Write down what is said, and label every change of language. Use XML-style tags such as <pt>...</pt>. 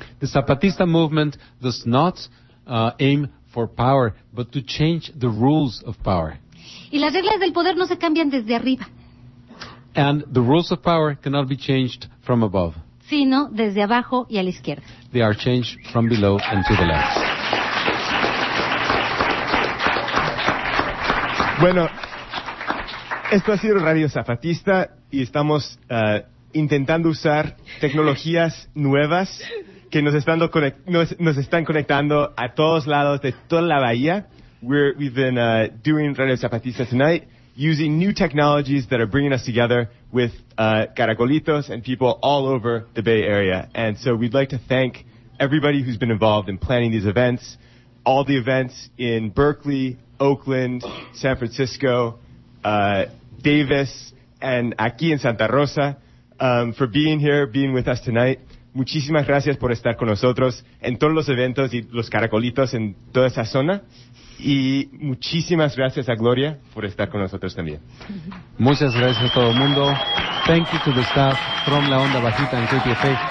<en>The Zapatista movement does not aim for power, but to change the rules of power.</en> <es>Y las reglas del poder no se cambian desde arriba.</es> <en>And the rules of power cannot be changed from above.</en> <es>Sino desde abajo y a la izquierda.</es> <en>They are changed from below and to the left.</en> <es>Bueno, esto ha sido Radio Zapatista y estamos intentando usar tecnologías nuevas que nos están conectando a todos lados de toda la bahía.</es> <en>We've been doing Radio Zapatista tonight using new technologies that are bringing us together with caracolitos and people all over the Bay Area. And so we'd like to thank everybody who's been involved in planning these events, all the events in Berkeley, Oakland, San Francisco, Davis, and</en> <es>aquí en</es> <en>Santa Rosa, for being here, being with us tonight.</en> <es>Muchísimas gracias por estar con nosotros en todos los eventos y los caracolitos en toda esa zona. Y muchísimas gracias a Gloria por estar con nosotros también. Muchas gracias a todo el mundo.</es> <en>Thank you to the staff from La Onda Bajita and KPFA.</en>